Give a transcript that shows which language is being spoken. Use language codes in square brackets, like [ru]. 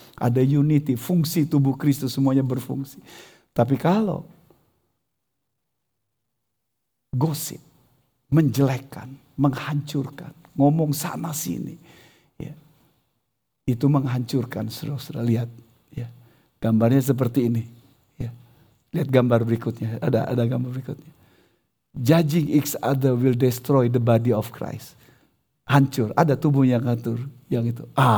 [id] Ada unity, fungsi tubuh Kristus semuanya berfungsi. Tapi kalau gosip, menjelekkan, menghancurkan, ngomong sana sini, ya, itu menghancurkan. Saudara-saudara lihat, ya, gambarnya seperti ini. Lihat gambar berikutnya, ada gambar berikutnya. [en] Judging each other will destroy the body of Christ. [id] Hancur, ada tubuhnya yang hancur, yang itu.